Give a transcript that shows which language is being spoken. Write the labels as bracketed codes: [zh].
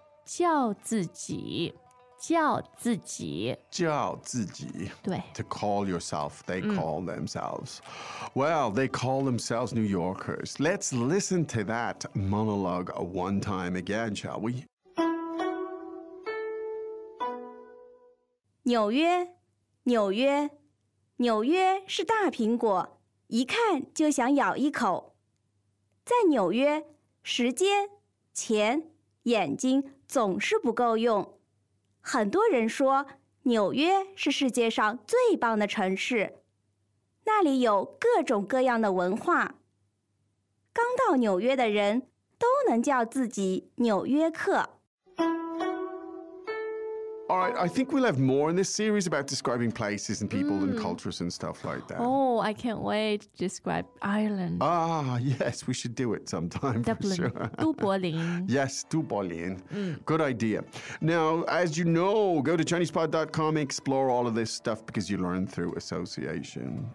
[zh] 叫自己叫自己叫自己对 [en] To call yourself, they call themselves. Well, they call themselves New Yorkers. Let's listen to that monologue one time again, shall we? [zh] 纽约，纽约，纽约是大苹果，一看就想咬一口。在纽约，时间、钱、眼睛总是不够用。很多人说，纽约是世界上最棒的城市，那里有各种各样的文化。刚到纽约的人都能叫自己纽约客。 [en] All right, I think we'll have more in this series about describing places and people and cultures and stuff like that. Oh, I can't wait to describe Ireland. Ah, yes, we should do it sometime. Dublin. For sure. Dublin. Yes, Dublin. Good idea. Now, as you know, go to ChinesePod.com and explore all of this stuff because you learn through association.